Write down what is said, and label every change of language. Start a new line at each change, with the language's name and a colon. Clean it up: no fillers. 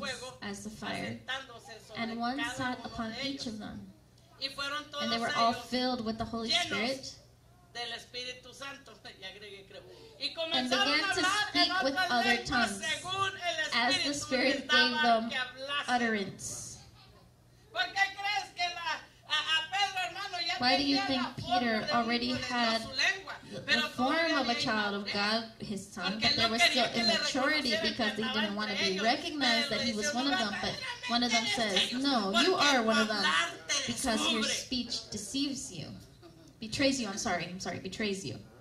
Spanish: fuego,
English: as the fire, and one sat upon each of them.
Spanish: Y fueron todos
English: and they were all filled with the Holy Spirit.
Spanish: Del Espíritu Santo.
English: Y and began to speak with other tongues
Spanish: según el Espíritu
English: as the Spirit gave them utterance.
Spanish: ¿Por qué crees que la, a Pedro, hermano, ya
English: Why do you think Peter already had the form of a child of God, his tongue, but there was still immaturity because they didn't want to be recognized that he was one of them, but one of them says, no, you are one of them because your speech deceives you, betrays you.